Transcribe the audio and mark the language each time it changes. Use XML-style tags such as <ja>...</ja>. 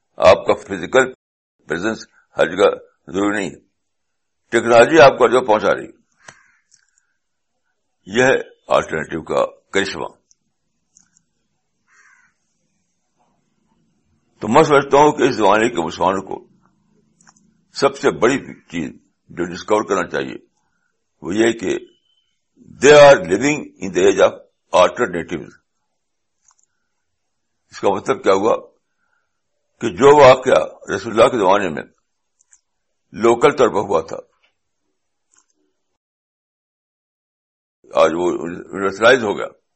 <ur>آپ کا physical presence ہر جگہ ضروری نہیں ہے, ٹیکنالوجی آپ کو جو پہنچا رہی ہے, یہ ہے آلٹرنیٹیو کا کرشمہ. تو میں سمجھتا ہوں کہ اس زمانے کے مسلمانوں کو سب سے بڑی چیز جو ڈسکور کرنا چاہیے وہ یہ کہ</ur> <en>They are living in the age of alternative.</en> <ur>اس کا مطلب کیا ہوا کہ جو واقعہ رسول اللہ کے زمانے میں لوکل طور پر ہوا تھا آج وہ یونیورسلائز ہو گیا.</ur>